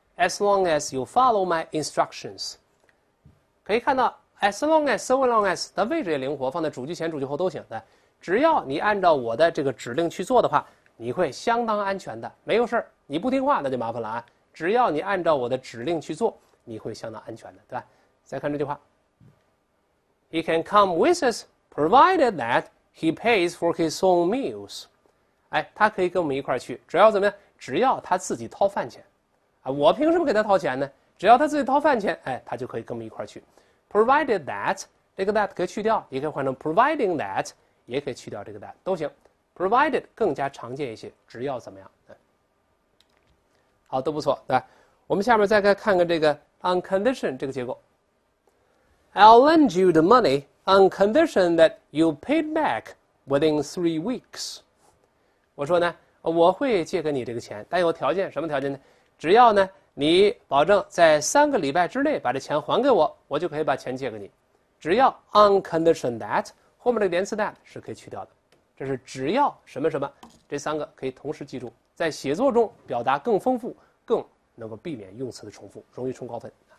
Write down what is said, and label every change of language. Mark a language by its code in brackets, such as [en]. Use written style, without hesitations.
[en] As long as you follow my instructions， [zh] 可以看到，as long as、so long as 的位置也灵活，放在主句前、主句后都行的。只要你按照我的这个指令去做的话，你会相当安全的，没有事儿。你不听话，那就麻烦了啊。只要你按照我的指令去做，你会相当安全的，对吧？再看这句话， [en] He can come with us provided that he pays for his own meals。 [zh] 哎，他可以跟我们一块儿去，只要怎么样？只要他自己掏饭钱。我凭什么给他掏钱呢？只要他自己掏饭钱，哎，他就可以跟我们一块儿去。 Provided that 这个 that 可以去掉，也可以换成 providing that，也可以去掉这个 that 都行。 Provided 更加常见一些，只要怎么样？好，都不错，对吧？我们下面再看看这个 [en] on condition [zh] 这个结构。 [en] I'll lend you the money on condition that you pay back within 3 weeks。 [zh] 我说呢，我会借给你这个钱，但有条件，什么条件呢？只要呢，你保证在3个礼拜之内把这钱还给我，我就可以把钱借给你。只要 [en] on condition that [zh] 后面的连词 that 是可以去掉的。这是只要什么什么，这三个可以同时记住，在写作中表达更丰富，更能够避免用词的重复，容易冲高分。